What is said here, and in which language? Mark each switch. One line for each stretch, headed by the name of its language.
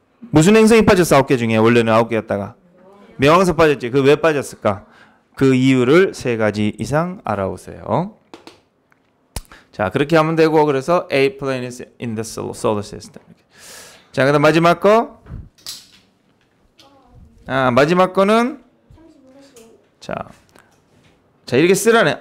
Korean: 무슨 행성이 빠졌어? 아홉 개 중에 원래는 아홉 개였다가 명왕서 빠졌지. 그 왜 빠졌을까? 그 이유를 세 가지 이상 알아오세요. 자, 그렇게 하면 되고.
English: 그래서 A planet is in the solar system.
Korean: 자, 그다음 마지막 거. 아, 마지막 거는 자, 이렇게 쓰라네.